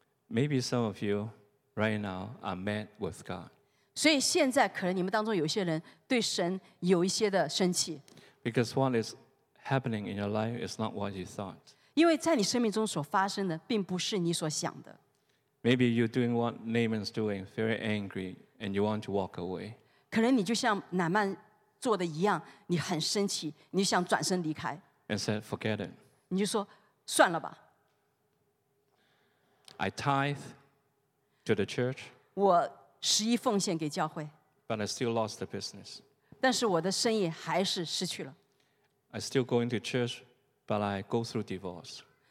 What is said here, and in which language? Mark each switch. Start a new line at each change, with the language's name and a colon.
English: Maybe some of you right now are mad with God.
Chinese: 所以现在可能你们当中有些人对神有一些的生气.
English: Because what is happening in your life is not what you thought.
Chinese: 因为在你生命中所发生的并不是你所想的.
English: Maybe you're doing what Naaman's doing, very angry, and you want to walk away.
Chinese: 可能你就像乃曼 做的一样，你很生气，你想转身离开。
English: And said, forget it.
Chinese: 你就说算了吧。
English: I tithe to the church.
Chinese: 我十一奉献给教会。
English: But I still lost the business.
Chinese: 但是我的生意还是失去了。
English: I still going to church, but I go through divorce.